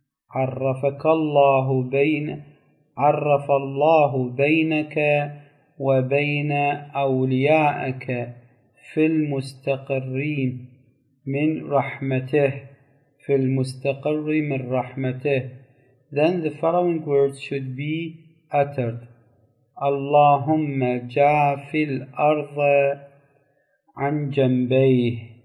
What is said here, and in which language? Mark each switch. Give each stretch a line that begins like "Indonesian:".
Arabic: عرفك الله بين عرف الله بينك وبين أوليائك في المستقرين من رحمته في المستقر من رحمته
English: then the following words should be uttered.
Arabic: اللهم جافي الأرض عن جنبيه.